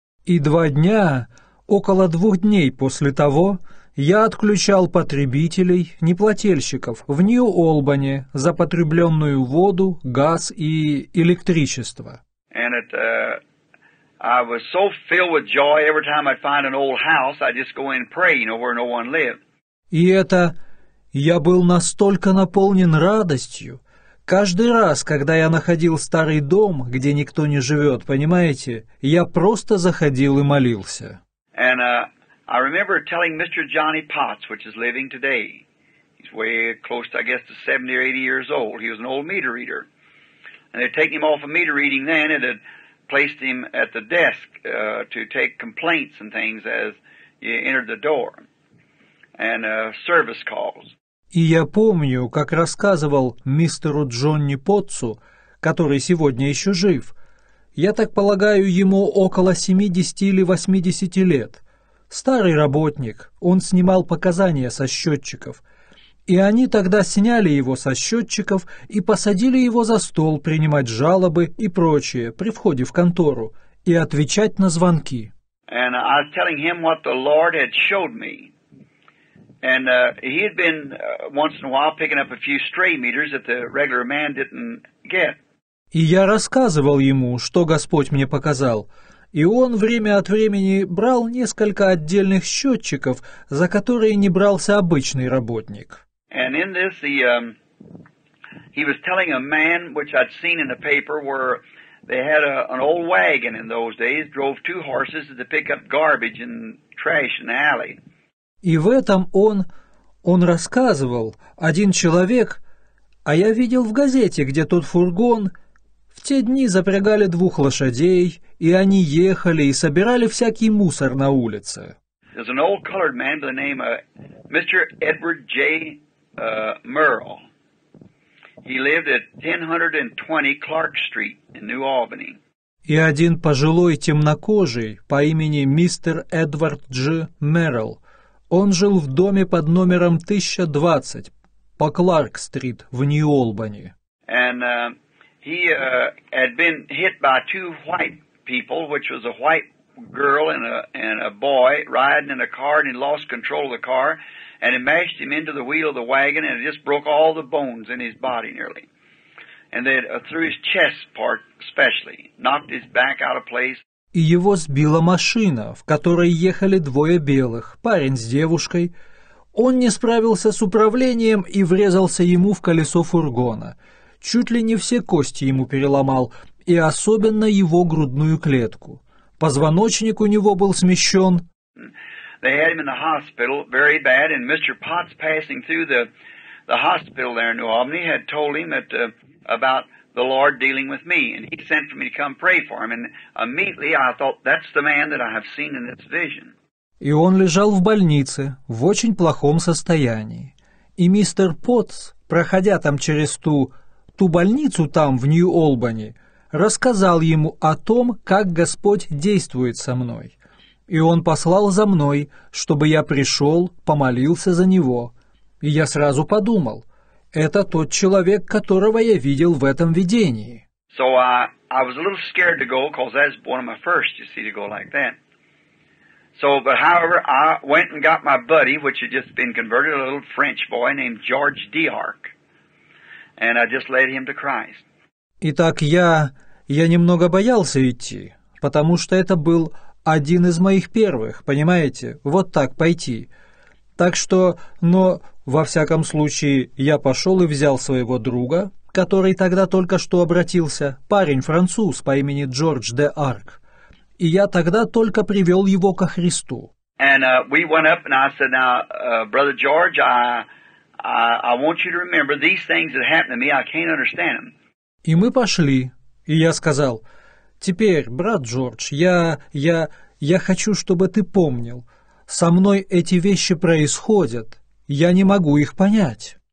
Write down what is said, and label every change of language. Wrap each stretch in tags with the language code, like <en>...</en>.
<ru>И два дня, около двух дней после того, я отключал потребителей, неплательщиков в Нью-Олбани за потребленную воду, газ и электричество.</ru> <en>And it, I was so filled with joy every time I'd find an old house, I'd just go in and pray, you know, where no one lived.</en> <ru>И это Я был настолько наполнен радостью. Каждый раз, когда я находил старый дом, где никто не живет, понимаете, я просто заходил и молился.</ru> <en>And I remember telling Mr. Johnny Potts, which is living today. He's way close, I guess, to 70 or 80 years old. He was an old meter reader. And they'd taken him off of meter reading then and had placed him at the desk to take complaints and things as you entered the door. And service calls.</en> <ru>И я помню, как рассказывал мистеру Джонни Потцу, который сегодня еще жив. Я так полагаю, ему около 70 или 80 лет. Старый работник, он снимал показания со счетчиков. И они тогда сняли его со счетчиков и посадили его за стол принимать жалобы и прочее при входе в контору и отвечать на звонки.</ru> <en>And I was telling him what the Lord had showed me. And he had been once in a while picking up a few stray meters that the regular man didn't get.</en> <ru>И я рассказывал ему, что Господь мне показал, и он время от времени брал несколько отдельных счетчиков, за которые не брался обычный работник.</ru> <en>And in this the, he was telling a man, which I'd seen in the paper, where they had a, an old wagon in those days, drove two horses to pick up garbage and trash in the alley.</en> <ru>И в этом он рассказывал, один человек, а я видел в газете, где тот фургон в те дни запрягали двух лошадей, и они ехали и собирали всякий мусор на улице.</ru> <en>There's an old colored man by the name of Mr. Edward J. Merle. He lived at 1020 Clark Street in New Albany.</en> <ru>И один пожилой темнокожий по имени мистер Эдвард Дж. Мерл. Он жил в доме под номером 1020 по Кларк-стрит в Нью-Олбани.</ru> <en>And he had been hit by two white people, which was a white girl and a boy riding in a car, and he lost control of the car. And it mashed him into the wheel of the wagon, and it just broke all the bones in his body nearly. And then through his chest part especially, knocked his back out of place.</en> <ru>И его сбила машина, в которой ехали двое белых, парень с девушкой. Он не справился с управлением и врезался ему в колесо фургона. Чуть ли не все кости ему переломал, и особенно его грудную клетку. Позвоночник у него был смещен.</ru> <en>They had him in the hospital, very bad, and Mr. Potts, passing through the hospital there in New Albany, had told him that, about the Lord dealing with me, and he sent for me to come pray for him, and immediately I thought, that's the man that I have seen in this vision.</en> <ru>И он лежал в больнице, в очень плохом состоянии. И мистер Потс, проходя там через ту больницу там, в Нью-Олбани, рассказал ему о том, как Господь действует со мной. И он послал за мной, чтобы я пришел, помолился за него. И я сразу подумал, это тот человек, которого я видел в этом видении.</ru> <en>So I was a little scared to go, because that's one of my first, you see, to go like that. So, but however, I went and got my buddy, which had just been converted, a little French boy named George Diark. And I just led him to Christ.</en> <ru>Итак, я немного боялся идти, потому что это был один из моих первых, понимаете, вот так пойти. Так что, но, во всяком случае, я пошел и взял своего друга, который тогда только что обратился, парень-француз по имени Джордж де Арк, и я тогда только привел его ко Христу.</ru> <en>And we went up, and I said, now, brother George, I want you to remember these things that happened to me, I can't understand them.</en> <ru>И мы пошли, и я сказал, теперь, брат Джордж, я хочу, чтобы ты помнил, со мной эти вещи происходят, я не могу их понять.</ru>